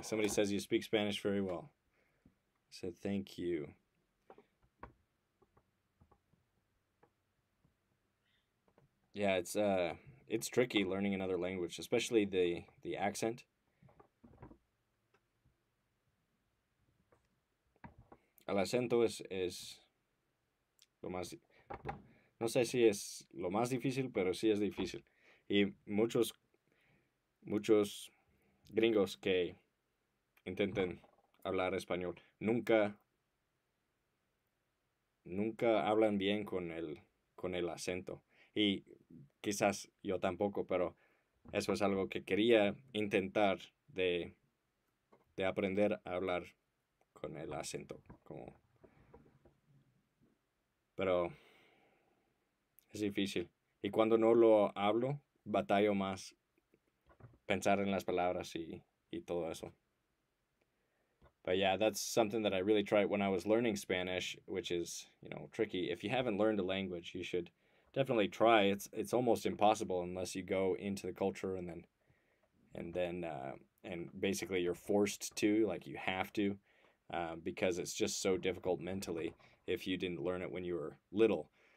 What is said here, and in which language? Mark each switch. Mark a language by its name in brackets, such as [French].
[English] Somebody says you speak Spanish very well. I said thank you. Yeah, it's tricky learning another language, especially the accent. [Spanish] El acento es lo más, no sé si es lo más difícil, pero sí es difícil. Y muchos gringos que intenten hablar español nunca hablan bien con el acento. Y quizás yo tampoco, pero eso es algo que quería intentar de aprender a hablar con el acento. Como, pero es difícil. Y cuando no lo hablo, batallo más pensar en las palabras y todo eso. [English] But yeah, that's something that I really tried when I was learning Spanish, which is, you know, tricky. If you haven't learned a language, you should definitely try. It's almost impossible unless you go into the culture and basically you're forced to, like you have to, because it's just so difficult mentally if you didn't learn it when you were little.